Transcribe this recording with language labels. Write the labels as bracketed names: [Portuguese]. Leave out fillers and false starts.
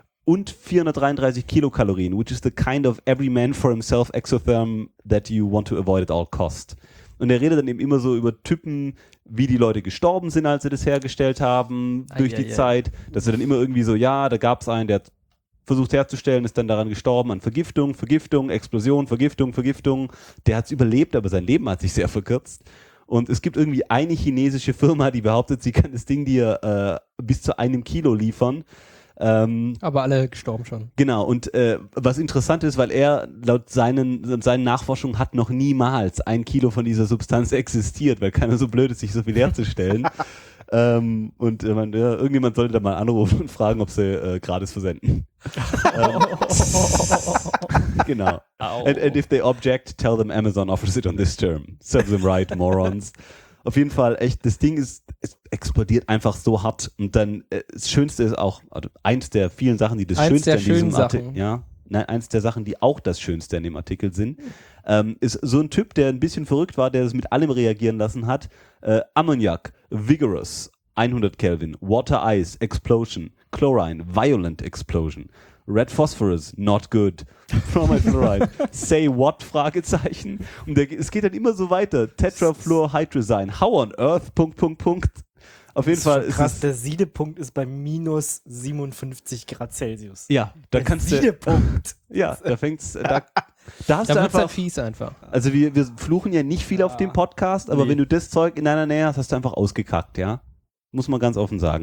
[German] Und 433 Kilokalorien, [English] which is the kind of every man for himself exotherm that you want to avoid at all cost. [German] Und er redet dann eben immer so über Typen, wie die Leute gestorben sind, als sie das hergestellt haben, Zeit. Dass er dann immer irgendwie so, ja, da gab es einen, der hat versucht herzustellen, ist dann daran gestorben an Vergiftung, Vergiftung, Explosion, Vergiftung, Vergiftung. Der hat es überlebt, aber sein Leben hat sich sehr verkürzt. Und es gibt irgendwie eine chinesische Firma, die behauptet, sie kann das Ding dir bis zu einem Kilo liefern. Aber alle gestorben schon. Genau, und was interessant ist, weil er laut seinen Nachforschungen hat noch niemals ein Kilo von dieser Substanz existiert, weil keiner so blöd ist, sich so viel herzustellen. und irgendjemand sollte da mal anrufen und fragen, ob sie gratis versenden. Genau. [English] And if they object, tell them Amazon offers it on this term. Serve them right, morons. [German] Auf jeden Fall, echt, das Ding ist, es explodiert einfach so hart. Und dann, das Schönste ist auch, also eins der vielen Sachen, die das eins Schönste der in diesem Sachen. Ja, nein, eins der Sachen, die auch das Schönste in dem Artikel sind, ist so ein Typ, der ein bisschen verrückt war, der es mit allem reagieren lassen hat. [English] Ammoniak, vigorous, 100 Kelvin. Water, ice, explosion. Chlorine, violent explosion. Red Phosphorus, not good. Bromofluoride, say what? [German] Fragezeichen. Und es geht dann immer so weiter. [English] Tetrafluorhydrazine, how on earth? [German] Punkt, Punkt, Punkt. Auf jeden Fall ist krass, der Siedepunkt ist bei minus 57 Grad Celsius. Ja, da der kannst du. Siedepunkt. Ja, da fängt's. Da hast da du einfach. Halt fies einfach. Also, wir fluchen ja nicht viel auf dem Podcast, aber wenn du das Zeug in deiner Nähe hast, hast du einfach ausgekackt, ja? Muss man ganz offen sagen.